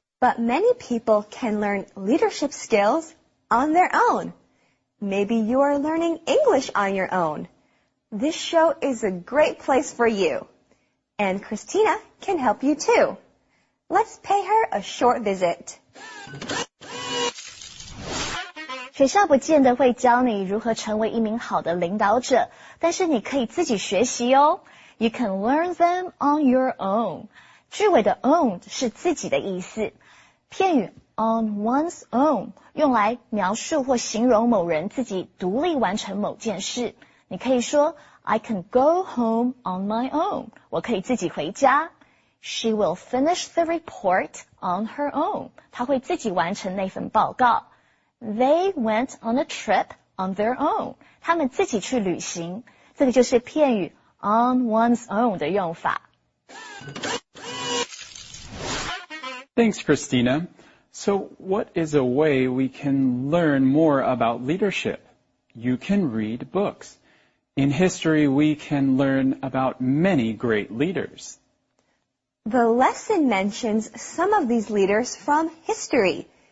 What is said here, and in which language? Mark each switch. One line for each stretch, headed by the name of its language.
English: But many people can learn leadership skills on their own. Maybe you are learning English on your own. This show is a great place for you. And Christina can help you too. Let's pay her a short visit.
Chinese: 学校不见得会教你如何成为一名好的领导者，但是你可以自己学习哦。
English: You can learn them on your own.
Chinese: 句尾的 own 是自己的意思。片语 on one's own 用来描述或形容某人自己独立完成某件事。你可以说
English: I can go home on my own.
Chinese: 我可以自己回家。
English: She will finish the report on her own.
Chinese: 她会自己完成那份报告。
English: They went on a trip on their own.
Chinese: 他们自己去旅行。这个就是片语 on one's own 的用法。
English: Thanks, Christina. So what is a way we can learn more about leadership? You can read books. In history, we can learn about many great leaders. The lesson mentions some of these leaders from history.